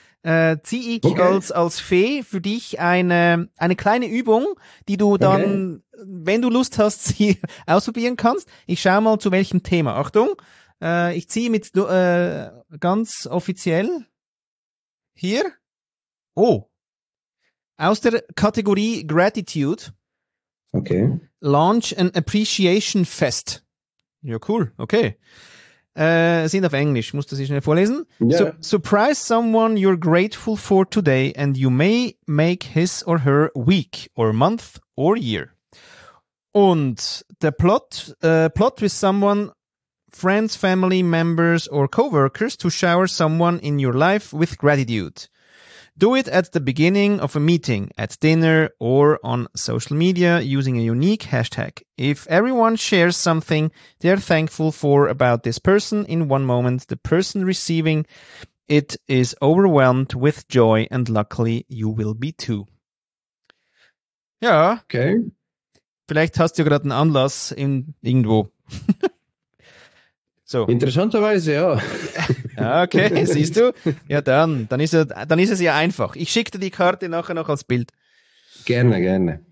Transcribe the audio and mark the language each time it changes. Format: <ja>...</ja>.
<de>Ziehe ich okay. als Fee für dich eine kleine Übung, die du dann, wenn du Lust hast, sie ausprobieren kannst. Ich schaue mal, zu welchem Thema. Achtung, ich ziehe mit ganz offiziell hier. Oh, aus der Kategorie Gratitude. Okay.</de> <en>Launch an Appreciation Fest.</en> <de>Ja, cool. Okay. Sind auf Englisch, musst du sie schnell vorlesen.</de> <en>Yeah. So, surprise someone you're grateful for today and you may make his or her week or month or year. Und der Plot with someone, friends, family, members or co-workers to shower someone in your life with gratitude. Do it at the beginning of a meeting, at dinner or on social media using a unique hashtag. If everyone shares something they're thankful for about this person in one moment, the person receiving it is overwhelmed with joy and luckily you will be too.</en> <de>Ja. Okay. Vielleicht hast du gerade einen Anlass in irgendwo. So. Interessanterweise, ja. Okay, siehst du? Ja, dann ist es ja einfach. Ich schicke dir die Karte nachher noch als Bild. Gerne, gerne.</de>